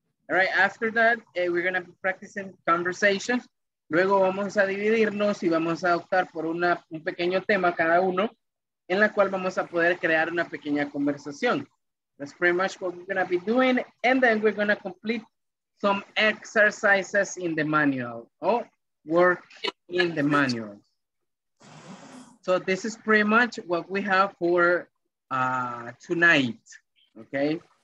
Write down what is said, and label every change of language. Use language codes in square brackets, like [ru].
[en] All right, after that, we're gonna be practicing conversation. [es] Luego vamos a dividirnos y vamos a optar por un pequeño tema cada uno, en la cual vamos a poder crear una pequeña conversación. [en] That's pretty much what we're gonna be doing, and then we're gonna complete some exercises in the manual, or work in the manual. So this is pretty much what we have for tonight, okay?